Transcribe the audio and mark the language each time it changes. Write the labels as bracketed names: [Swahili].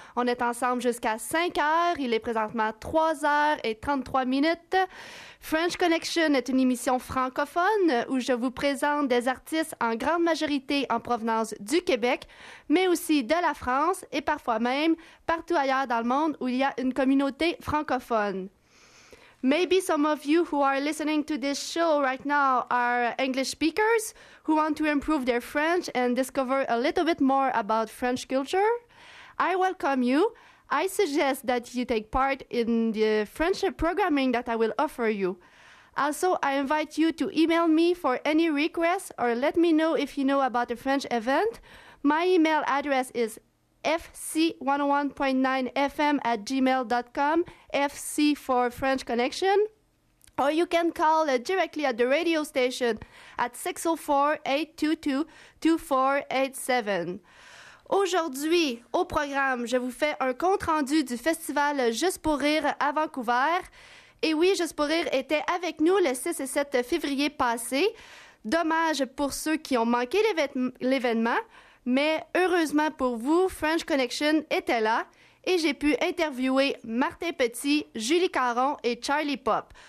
[French] On est ensemble jusqu'à 5 heures. Il est présentement 3 heures et 33 minutes. French Connection est une émission francophone où je vous présente des artistes en grande majorité en provenance du Québec, mais aussi de la France et parfois même partout ailleurs dans le monde où il y a une communauté francophone. [English] Maybe some of you who are listening to this show right now are English speakers who want to improve their French and discover a little bit more about French culture. I welcome you. I suggest that you take part in the French programming that I will offer you. Also, I invite you to email me for any requests or let me know if you know about a French event. My email address is fc11.9fm@gmail.com, FC for French Connection. Or you can call directly at the radio station at 604-822-2487. [French] Aujourd'hui, au programme, je vous fais un compte-rendu du festival Juste pour rire à Vancouver. Et oui, Juste pour rire était avec nous le 6 et 7 février passé. Dommage pour ceux qui ont manqué l'événement. Mais heureusement pour vous, French Connection était là et j'ai pu interviewer Martin Petit, Julie Caron et Charlie Pop.